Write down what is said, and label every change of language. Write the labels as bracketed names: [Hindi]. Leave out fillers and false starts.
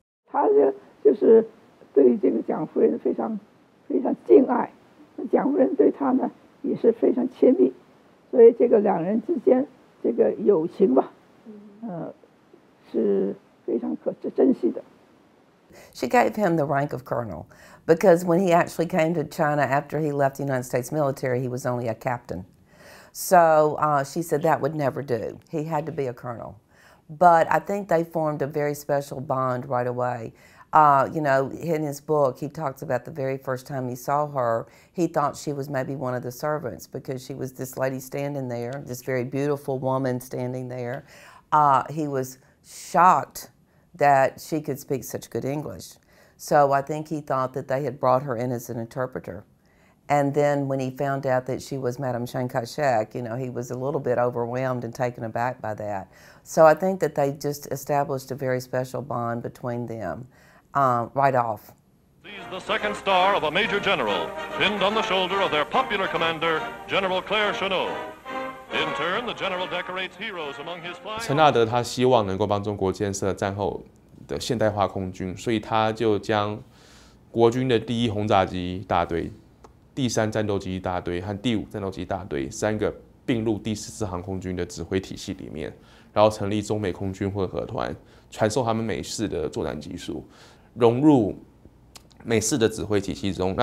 [Chinese] 他就是对这个蒋夫人非常非常敬爱，蒋夫人对他呢也是非常亲密，所以这个两人之间这个友情吧，是非常可珍惜的。 [English] She gave him the rank of colonel because when he actually came to China after he left the United States military, he was only a captain. So, she said that would never do. He had to be a colonel. But I think they formed a very special bond right away. You know, in his book, he talks about the very first time he saw her, he thought she was maybe one of the servants because she was this lady standing there, this very beautiful woman standing there. He was shocked that she could speak such good English. So I think he thought that they had brought her in as an interpreter. And then when he found out that she was Madame Chiang Kai-shek, you know, he was a little bit overwhelmed and taken aback by that. So I think that they just established a very special bond between them. Right off. He's the second star of a major general, pinned on the shoulder of their popular commander, General Claire Chennault. In turn, the general decorates heroes among his flying. [Chinese] 陈纳德他希望能够帮中国建设战后的现代化空军，所以他就将国军的第一轰炸机大队、第三战斗机大队和第五战斗机大队三个并入第14航空军的指挥体系里面，然后成立中美空军混合团，传授他们美式的作战技术，融入美式的指挥体系中。